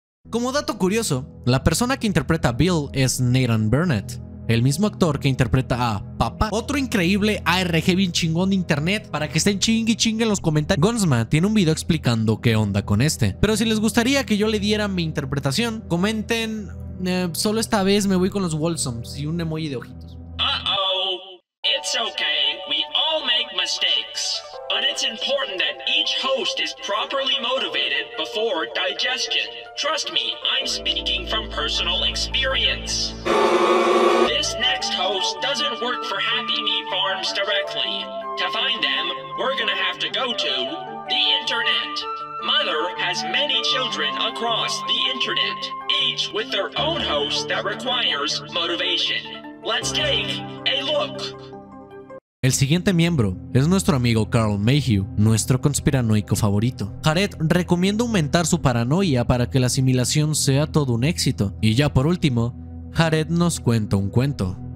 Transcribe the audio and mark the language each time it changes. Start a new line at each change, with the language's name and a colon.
Spanish: Como dato curioso, la persona que interpreta a Bill es Nathan Burnett, el mismo actor que interpreta a Papá. Otro increíble ARG bien chingón de internet para que estén chingue y chingue en los comentarios. Gonsma tiene un video explicando qué onda con este. Pero si les gustaría que yo le diera mi interpretación, comenten. Solo esta vez me voy con los Walsoms y un emoji de ojitos.
English: Uh-oh, it's okay, we all make mistakes. But it's important that each host is properly motivated before digestion. Trust me, I'm speaking from personal experience. This next host doesn't work for Happy Meat Farms directly. To find them, we're gonna have to go to the internet. Mother has many children across the internet, each with their own host that requires motivation. Let's take a look.
Spanish: El siguiente miembro es nuestro amigo Carl Mayhew, nuestro conspiranoico favorito. Jared recomienda aumentar su paranoia para que la asimilación sea todo un éxito. Y ya por último, Jared nos cuenta un cuento.